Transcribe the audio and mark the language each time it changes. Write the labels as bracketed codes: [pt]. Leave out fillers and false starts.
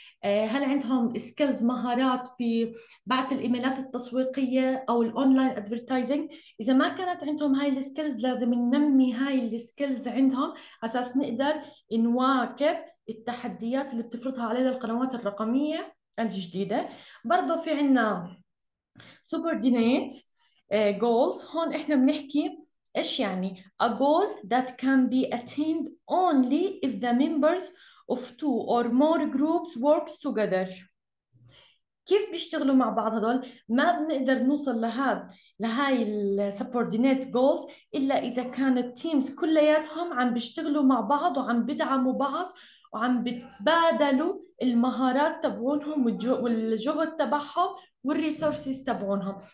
[ar] هل عندهم سكيلز مهارات في بعث الايميلات التسويقية او الاونلاين ادفرتايزنج؟ اذا ما كانت عندهم هاي السكيلز، لازم ننمي هاي السكيلز عندهم اساس نقدر نواكب التحديات اللي بتفرضها علينا القنوات الرقمية الجديدة. برضو في عندنا subordinate goals. هون احنا بنحكي ايش يعني [en] a goal that can be attained only if the members of two or more groups works together. [ar] كيف بيشتغلوا مع بعض هذول؟ ما بنقدر نوصل لهاي ال subordinate goals إلا إذا كانت teams كلياتهم عم بيشتغلوا مع بعض وعم بدعموا بعض وعم بتبادلوا المهارات تبعونهم والجهد تبعهم والريسورسز تبعونهم.